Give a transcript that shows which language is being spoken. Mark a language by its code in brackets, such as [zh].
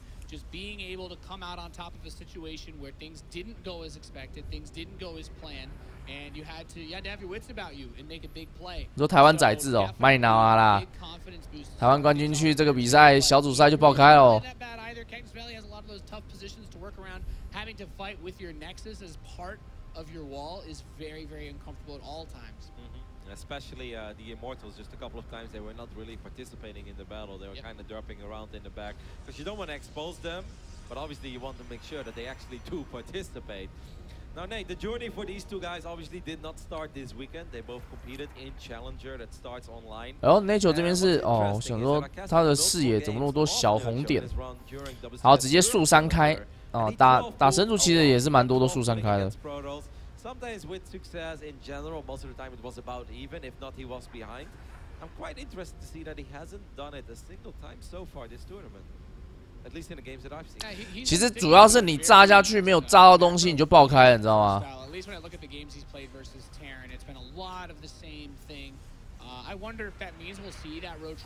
[en] Just being able to come out on top of a situation where things didn't go as expected, things didn't go as planned, and you had to have your wits about you and make a big play. [zh] 说台湾宰制哦，卖脑啊啦！台湾冠军去这个比赛小组赛就爆开喽。 [en] Not bad either. Kings Valley has a lot of those tough positions to work around. Having to fight with your Nexus as part of your wall is very, very uncomfortable at all times. especially the Immortals. Just a couple of times they were not really participating in the battle. They were kind of derping around in the back because you don't want to expose them, but obviously you want to make sure that they actually do participate. Now, Nate, the journey for these two guys obviously did not start this weekend. They both competed in Challenger that starts online. [zh] 然后Nature这边是哦，想说他的视野怎么那么多小红点，好，直接速伤开啊，打神族其实也是蛮多都速伤开的。 [en] Sometimes with success in general, most of the time it was about even, if not he was behind. I'm quite interested to see that he hasn't done it a single time so far this tournament. At least in the games that I've seen. [zh] 其实主要是你炸下去没有炸到东西，你就爆开了，你知道吗？ [en] At least when I look at the games he's played versus Terran, it's been a lot of the same thing. I wonder if that means we'll see that road trip.